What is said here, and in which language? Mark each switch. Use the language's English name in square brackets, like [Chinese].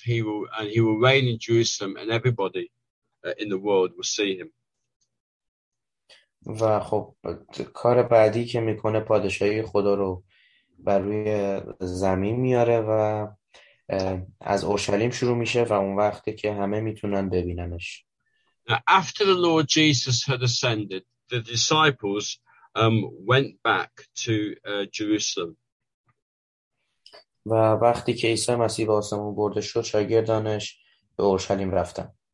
[English] He will reign in Jerusalem, and everybody in the world will see him. [Persian] و خب کار بعدی که میکنه پادشاهی خدا رو بر روی زمین میاره و از اورشلیم شروع میشه و اون وقته که همه میتونن ببیننش. [English] Now, after the Lord Jesus had ascended, the disciples went back to Jerusalem. [Persian] و وقتی که عیسی مسیح به آسمون برده شد، شاگردانش به اورشلیم رفتن.